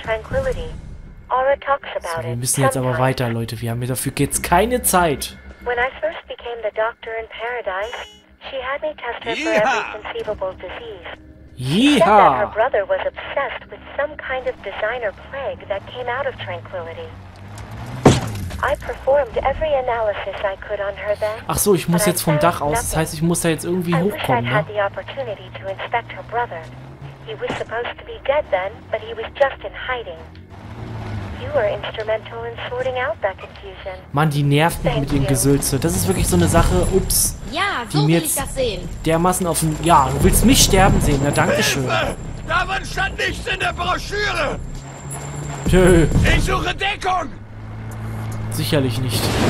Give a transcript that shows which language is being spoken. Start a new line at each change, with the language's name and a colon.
German: So, wir müssen jetzt aber weiter, Leute. Wir haben dafür jetzt keine Zeit.
English: When I first became the doctor in Paradise, she had me test her for every conceivable disease. Yeehaw! Her brother was obsessed with some kind of designer plague that came out of Tranquility. I performed every analysis I could on her then.
German: Ach so, ich muss jetzt vom Dach aus. Das heißt, ich muss da jetzt irgendwie hochkommen, ne?
English: I had the opportunity to inspect her brother. He was supposed to be dead then, but he was just in hiding. You were instrumental in sorting out that confusion.
German: Mann, die nervt mich mit dem Gesülze. Das ist wirklich so eine Sache. Ups. Ja, so will ich das sehen. Dermaßen auf dem. Ja, du willst mich sterben sehen. Na, danke schön. Davon stand nichts in der Broschüre. Tö. Ich suche Deckung. Sicherlich nicht.